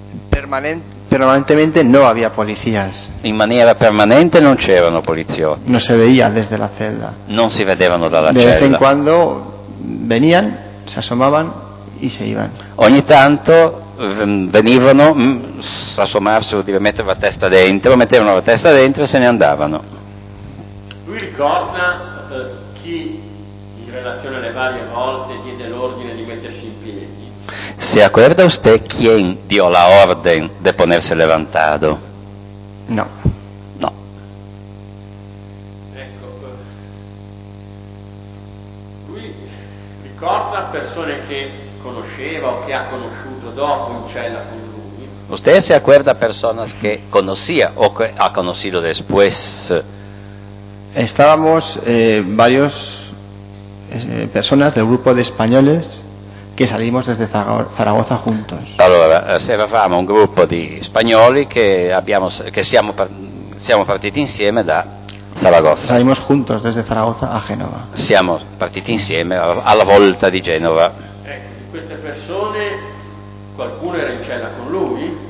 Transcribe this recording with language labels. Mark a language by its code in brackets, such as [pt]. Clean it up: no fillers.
[es] Permanentemente no había policías. [it] In maniera permanente non c'erano poliziotti. [es] No se veía desde la celda. [it] Non si vedevano dalla [es] celda. De vez en cuando venían, se asomaban y se iban. [it] Ogni tanto venivano a asomarsi, vuol dire mettere la testa dentro, mettevano la testa dentro e se ne andavano. Lui ricorda chi in relazione alle varie volte diede l'ordine di mettersi in piedi. [es] Si acuerda usted quién dio la orden de ponerse levantado? No. [it] No. Ecco. Lui ricorda persone che conosceva o che ha conosciuto dopo in cella con lui? [es] Usted se acuerda personas que conocía o que ha conocido después? Estábamos varios personas del grupo de españoles que salimos desde Zaragoza juntos. [it] Allora, eravamo un gruppo di spagnoli che siamo partiti insieme da Zaragoza. [es] Salimos juntos desde Zaragoza a Genova. [it] Siamo partiti insieme alla volta di Genova. Ecco, queste persone, qualcuno era in cella con lui?